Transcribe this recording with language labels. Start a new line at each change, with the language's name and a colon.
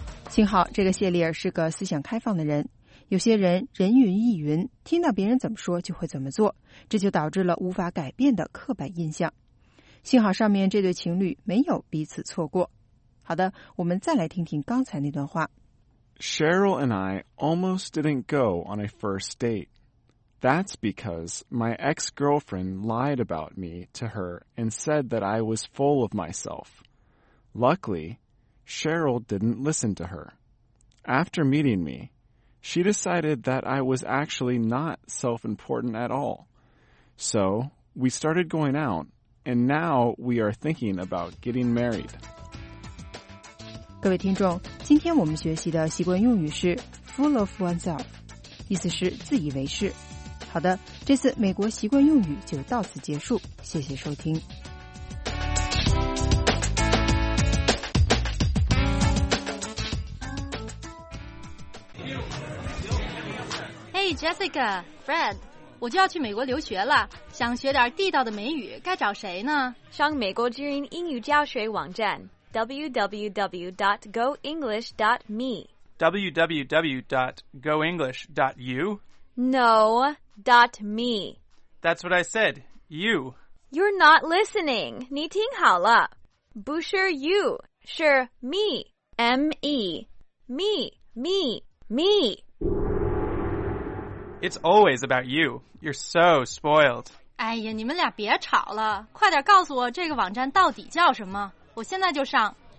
Chinese: 幸好这个谢丽尔是个思想开放的人，有些人人云亦云，听到别人怎么说就会怎么做，这就导致了无法改变的刻板印象。幸好上面这对情侣没有彼此错过。好的，我们再来听听刚才那段话。
English: Cheryl and I almost didn't go on a first date. That's because my ex-girlfriend lied about me to her and said that I was full of myself. Luckily,Cheryl didn't listen to her. After meeting me, she decided that I was actually not self-important at all. So, we started going out, and now we are thinking about getting married.
Chinese: 各位听众，今天我们学习的习惯用语是
English: full of oneself,
Chinese: 意思是自以为是。好的，这次美国习惯用语就到此结束，谢谢收听。 Hey Jessica, Fred, 我就要去美国留学了，想学点地道的美语，该找谁呢？上美国之音英语教学网站 www.goenglish.me
English: www.goenglish.you? No, .me. That's what I said, you. You're not listening,
Chinese: 你听好了。 不是
English: you,
Chinese: 是
English: me, M-E, me, me, me. It's always about you. You're so spoiled.
Chinese: 哎呀，你们俩别吵了，快点告诉我这个网站到底叫什么，我现在就上